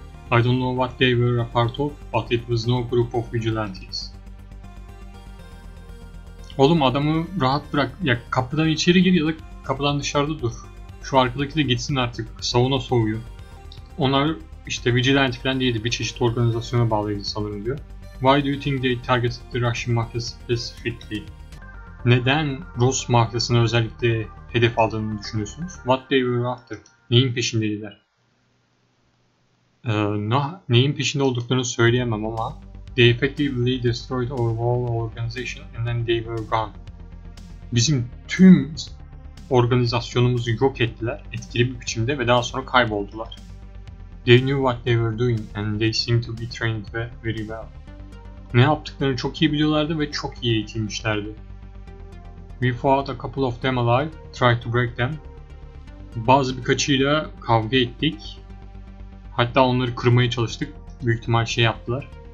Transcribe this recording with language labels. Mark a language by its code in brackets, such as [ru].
[en] I don't know what they were a part of, but it was no group of vigilantes. [tr] Oğlum adamı rahat bırak. Ya kapıdan içeri gir ya da kapıdan dışarıda dur. Şu arkadaki de gitsin artık. Sauna soğuyor. Onlar işte vigilante falan değildi. Bir çeşit organizasyona bağlıydı sanırım diyor. [en] Why do you think they targeted the Russian mafia specifically? [tr] Neden Rus mafyasını özellikle hedef aldığını düşünüyorsunuz? [en] What they were after? [tr] Neyin peşindeydiler? Neyin peşinde olduklarını söyleyemem ama [en] they effectively destroyed our whole organization and then they were gone. [tr] Bizim tüm organizasyonumuzu yok ettiler etkili bir biçimde ve daha sonra kayboldular. [en] They knew what they were doing and they seemed to be trained very well. [tr] Ne yaptıklarını çok iyi biliyorlardı ve çok iyi eğitilmişlerdi. [en] We fought a couple of them alive, tried to break them. [tr] Bazı birkaçıyla kavga ettik. Hatta onları kırmaya çalıştık. Büyük ihtimal şey yaptılar.